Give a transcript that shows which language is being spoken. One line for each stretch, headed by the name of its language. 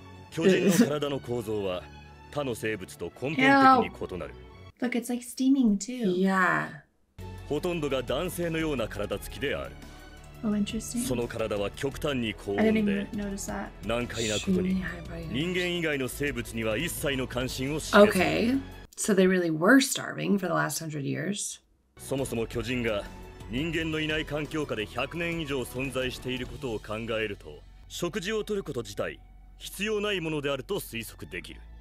Japanese: 巨人の体の構造は他の生物と根本的に異なる。
English: Look, it's like steaming too. Yeah.
Japanese: ほとんどが男性のような体つきである。
English: Oh, interesting.
Japanese: その体は極端に高温で、難解なことに人間以外の生物には一切の関心を示す。
English: Okay. So they really were starving for the last 100 years.
Japanese: そもそも巨人が人間のいない環境下で100年以上存在していることを考えると、食事を取ること自体必要ないものであると推測できる。